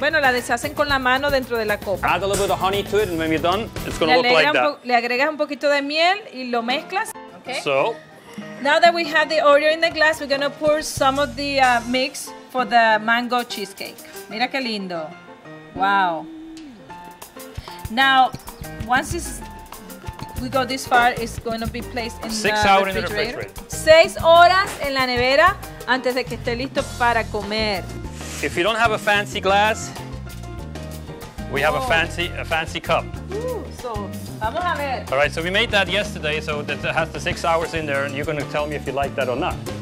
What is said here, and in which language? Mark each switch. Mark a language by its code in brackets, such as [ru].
[es] Bueno, la deshacen con la mano dentro de la copa. [en] Add a little bit of honey to it, and when we're done, it's going to look like that. [es] Le agregas un poquito de miel y lo mezclas, okay? [en] So. Now that we have the Oreo in the glass, we're going to pour some of the mix for the mango cheesecake. [es] Mira qué lindo. [en] Wow. Now, once it's... We go this far, it's going to be placed in Six the hours refrigerator. In the refrigerator. [es] 6 horas en la nevera antes de que esté listo para comer. [en] If you don't have a fancy glass, we have a fancy cup. [es] Vamos a ver. [en] All right, so we made that yesterday, so it has the 6 hours in there, and you're going to tell me if you like that or not.